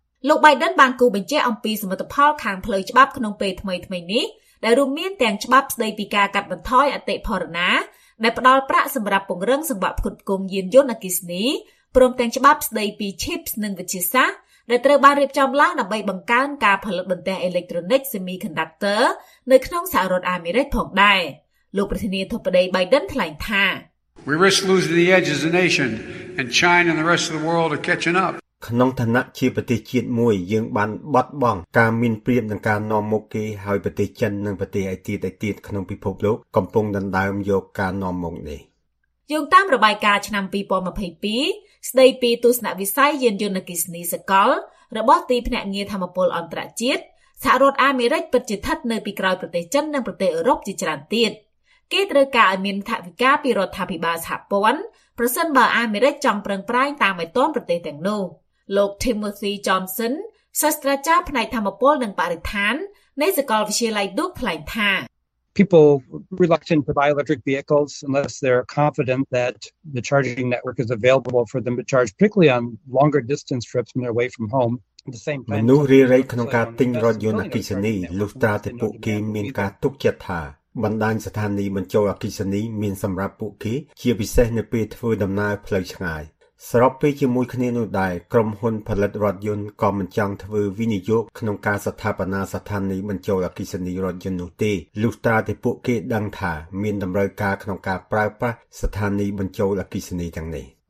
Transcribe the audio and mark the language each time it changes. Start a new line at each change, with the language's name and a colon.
Khmer: លោក Biden បានគូបញ្ជាក់អំពីសមិទ្ធផលខាងផ្លូវច្បាប់ក្នុងពេលថ្មីៗនេះដែលរួមមានទាំងច្បាប់ស្ដីពីការកាត់បន្ថយអតិផរណាដែលផ្ដល់ប្រាក់សម្រាប់ពង្រឹងសង្វាក់ផ្គត់ផ្គង់យានយន្តអគ្គិសនីព្រមទាំងច្បាប់ស្ដីពី chips និងវិទ្យាសាស្ត្រដែលត្រូវបានរៀបចំឡើងដើម្បីបង្កើនការផលិតបន្ទះអេឡិចត្រូនិក semiconductor នៅក្នុងសហរដ្ឋអាមេរិកផងដែរលោកប្រធានាធិបតី Biden ថ្លែងថា
English: We risk losing the edge as a nation and China and the rest of the world are catching up.
Khmer: ក្នុងឋានៈជាប្រទេសជាតិមួយយើងបានបាត់បង់ការមានព្រៀបនឹងការនាំមុខគេហើយប្រទេសចិននិងប្រទេសឯទៀតឯទៀតក្នុងពិភពលោកកំពុងដណ្ដើមយកការនាំមុខនេះ យោងតាមរបាយការណ៍ឆ្នាំ2022ស្ដីពីទស្សនវិស័យយានយន្តអគ្គិសនីសកលរបស់ទីភ្នាក់ងារធម្មពលអន្តរជាតិសហរដ្ឋអាមេរិកពិតជាស្ថិតនៅពីក្រោយប្រទេសចិននិងប្រទេសអឺរ៉ុបជាច្រើនទៀតគេត្រូវការឲ្យមានថវិកាពីរដ្ឋាភិបាលសហព័ន្ធប្រសិនបើអាមេរិកចង់ប្រឹងប្រែងតាមឲ្យទាន់ប្រទេសទាំងនោះលោក Timothy Johnson សាស្ត្រាចារ្យផ្នែកធម្មពលនិងបរិស្ថាននៃសាកលវិទ្យាល័យ Duke ថ្លែងថា
English: People reluctant to buy electric vehicles unless they're confident that the charging network is available for them to charge quickly on longer distance trips when they're away from homehome.
Khmer: នោះរីរ៉េក្នុងការទិញរថយន្តអគ្គិសនីលុះត្រាតែពួកគេមានការទុកចិត្តថាបណ្ដាញស្ថានីយ៍បញ្ចូលអគ្គិសនីមានសម្រាប់ពួកគេជាពិសេសនៅពេលធ្វើដំណើរផ្លូវឆ្ងាយស្របពេលជាមួយគ្នានោះដែរក្រុមហ៊ុនផលិតរថយន្តក៏មិនចង់ធ្វើវិនិយោគក្នុងការស្ថាបនាស្ថានីយ៍បញ្ចូលអគ្គិសនីរថយន្តនោះទេលុះត្រាតែពួកគេដឹងថាមានតម្រូវការក្នុងការប្រើប្រាស់ស្ថានីយ៍បញ្ចូលអគ្គិសនីទាំងនេះ